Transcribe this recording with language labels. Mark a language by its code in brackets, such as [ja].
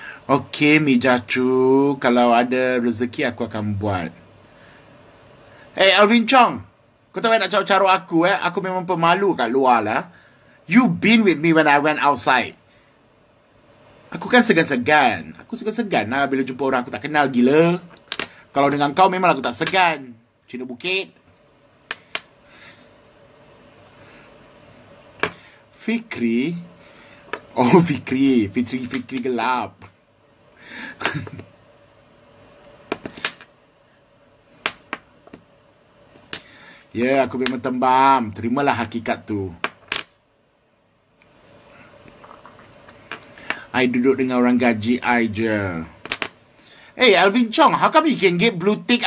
[en] Okay, Mijacu. [ms] Kalau ada rezeki, aku akan buat. Hey, Alvin Chong. Kau tahu nak caru-caru aku eh? Aku memang pemalu kat luar lah. [en] You been with me when I went outside. [ms] Aku kan segan-segan. Aku segan-segan lah bila jumpa orang aku tak kenal gila. Kalau dengan kau memang aku tak segan. Cina Bukit. Fikri. Oh, Fikri. Fikri gelap. Ya, yeah, aku memang tembam. Terimalah hakikat tu. I duduk dengan orang gaji I je. [en] Hey, Alvin Chong, how come you can get blue tick?